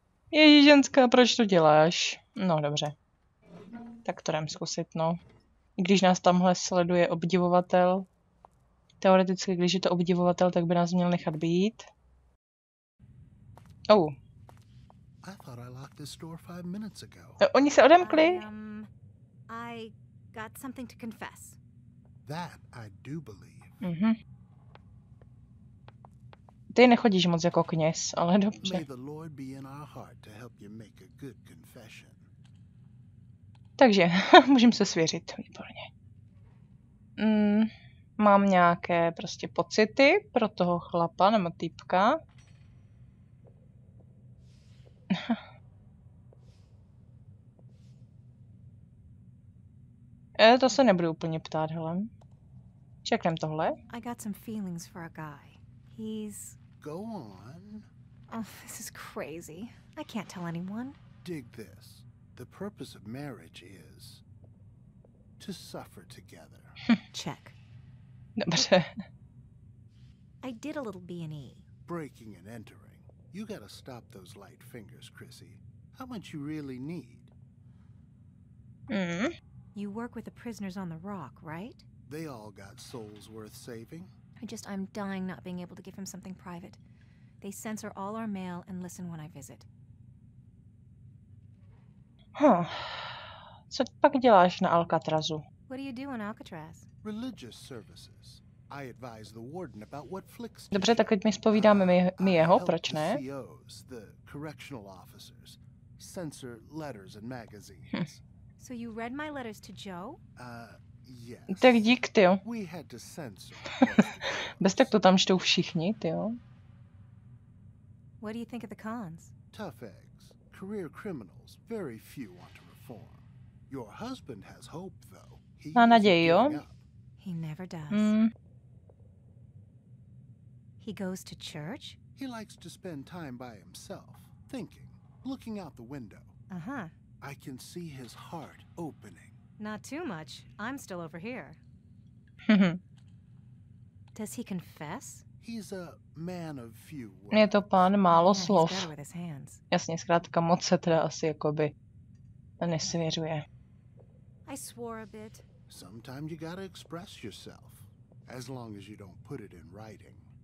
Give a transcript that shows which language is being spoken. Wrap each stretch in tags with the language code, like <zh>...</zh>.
<cs>Ježi ženská, proč to děláš? No, dobře. Tak to jdem zkusit, no. I když nás tamhle sleduje obdivovatel. Teoreticky, když je to obdivovatel, tak by nás měl nechat být. Oh.</cs> <en>I thought I locked this door 5 minutes ago.</en> <cs>Oni se odemkli.</cs> <en>I got something to confess. That I do believe. Mhm.</en> <cs>Ty nechodíš moc jako kněz, ale dobře.</cs> <en>May the Lord be in our heart to help you make a good confession.</en> <cs>Takže, můžem se svěřit, výborně. Mám nějaké prostě pocity pro toho chlapa nebo týpka. To se nebudu úplně ptát, hele. Čekneme tohle.</cs> <en>I got some feelings for a guy. He's... Go on. Oh, this is crazy. I can't tell anyone. Dig this. The purpose of marriage is to suffer together. Check. Dobře. I did a little B&E. Breaking and entering. You gotta stop those light fingers, Chrissy. How much you really need? You work with the prisoners on the rock, right? They all got souls worth saving. I'm dying not being able to give him something private. They censor all our mail and listen when I visit. Huh.</en> <cs>Co pak děláš na Alcatrazu?</cs> <en>What do you do in Alcatraz? Religious services. I advise the warden about what flicks.</en> <cs>Dobře, tak teď mi zpovídáme my jeho, proč ne?</cs> <en>The COs, the correctional officers, censor letters and magazines. So you read my letters to Joe? Yes.</en> <cs>Tak dík, tyjo.</cs> <en>We had to censor.</en> <cs>Bez tak to tam čtou všichni, tyjo.</cs> <en>What do you think of the cons? Tough eggs. Career criminals. Very few want to reform. Your husband has hope, though.</en> <cs>Má naději, jo?</cs> <en>He never does. He goes to church? He likes to spend time by himself, thinking, looking out the window. Uh-huh. I can see his heart opening. Not too much. I'm still over here. Does he confess? He's a man of few words.</en> <cs>Je to pán málo slov. Jasně, zkrátka moc se teda asi jakoby nesvěřuje.</cs> <en>I swore a bit. Sometimes you gotta express yourself, as long as you don't put it in writing.</en>